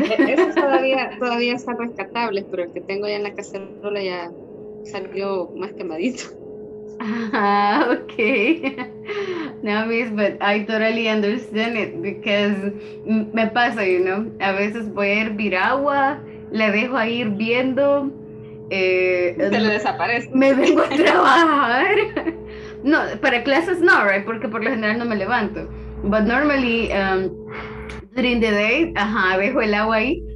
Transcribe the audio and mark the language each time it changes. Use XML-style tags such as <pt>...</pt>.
<es>Eso todavía está rescatable, pero el que tengo ya en la cacerola ya salió más quemadito.</es> <en>Okay. No, miss, but I totally understand it because</en> <es>me pasa,</es> <en>you know.</en> <es>A veces voy a hervir agua, la dejo ahí hirviendo. Se le desaparece. Me vengo a trabajar. No, para clases no, right? Porque por lo general no me levanto.</es> <en>But normally, during the day,</en> <es>dejo el agua ahí.</es>